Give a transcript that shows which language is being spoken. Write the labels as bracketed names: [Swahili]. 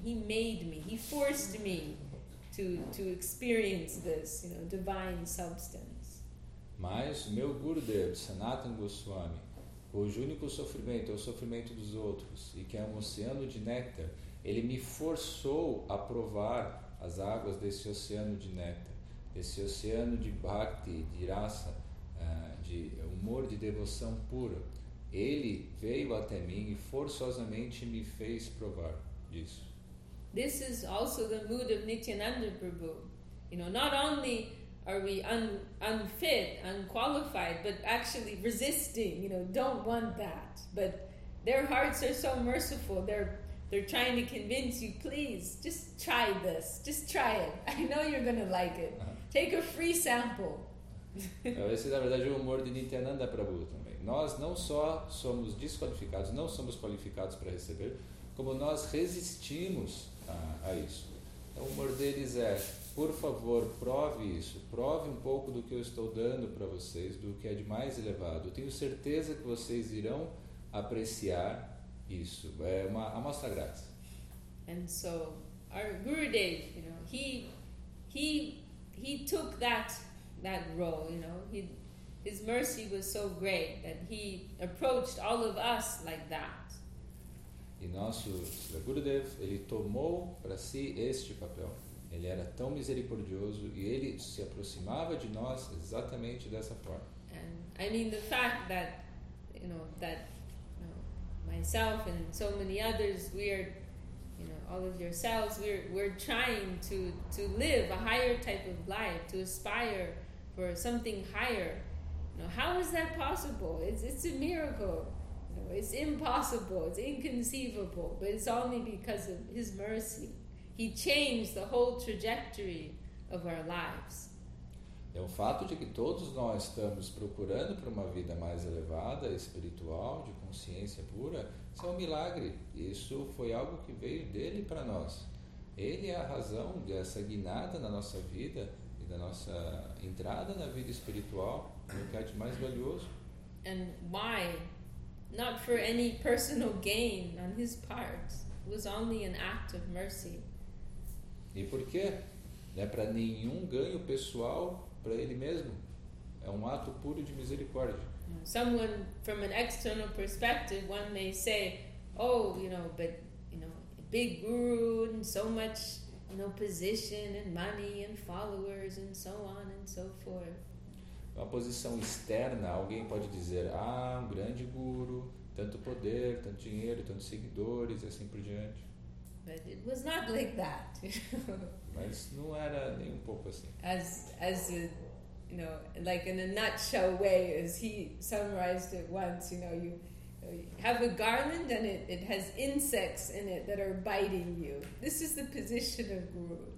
[English] He made me, he forced me to experience this, you know, divine substance. [Portuguese] Mas meu Gurudev, Sanatana Goswami, cujo único sofrimento é o sofrimento dos outros e que é um oceano de néctar, ele me forçou a provar as águas desse oceano de néctar, desse oceano de bhakti, de raça, de humor, de devoção pura. Ele veio até mim e forçosamente me fez provar disso. [English] This is also the mood of Nityananda Prabhu. You know, not only are we unfit, unqualified, but actually resisting, you know, don't want that. But their hearts are so merciful. They're trying to convince you, please, just try this. Just try it. I know you're going to like it. Take a free sample. [Portuguese] Esse, na verdade, é o humor de Nityananda Prabhu também. Nós não só somos desqualificados, não somos qualificados para receber, como nós resistimos a isso. Então, o humor deles é, por favor, prove isso, prove um pouco do que eu estou dando para vocês, do que é de mais elevado. Eu tenho certeza que vocês irão apreciar isso. É uma amostra grátis. [English] And so, our Gurudev, you know, he took that role, you know, His mercy was so great that he approached all of us like that. [Portuguese] E nosso Sri Gurudev, ele tomou para si este papel. Ele era tão misericordioso e ele se aproximava de nós exatamente dessa forma. [English] And I mean the fact that, you know, that, you know, myself and so many others, we are, you know, all of yourselves, we're trying to live a higher type of life, to aspire for something higher. How is that possible? It's a miracle. No, it's impossible. It's inconceivable. But it's only because of His mercy. He changed the whole trajectory of our lives. [Portuguese] É o fato de que todos nós estamos procurando por uma vida mais elevada, espiritual, de consciência pura. Isso é um milagre. Isso foi algo que veio dele para nós. Ele é a razão dessa guinada na nossa vida e da nossa entrada na vida espiritual. Mais valioso. [English] And why? Not for any personal gain on his part. It was only an act of mercy. [Portuguese] E por quê? Não é para nenhum ganho pessoal para ele mesmo. É um ato puro de misericórdia. [English] Someone from an external perspective, one may say, oh, you know, but, you know, big guru and so much, you know, position and money and followers and so on and so forth. [Portuguese] Uma posição externa, alguém pode dizer, ah, um grande guru, tanto poder, tanto dinheiro, tantos seguidores, e assim por diante. [English] But it was not like that. [Portuguese] Mas não era nem um pouco assim. [English] As a you know, like in a nutshell way, as he summarized it once, you know, you have a garland and it has insects in it that are biting you. This is the position of Guru.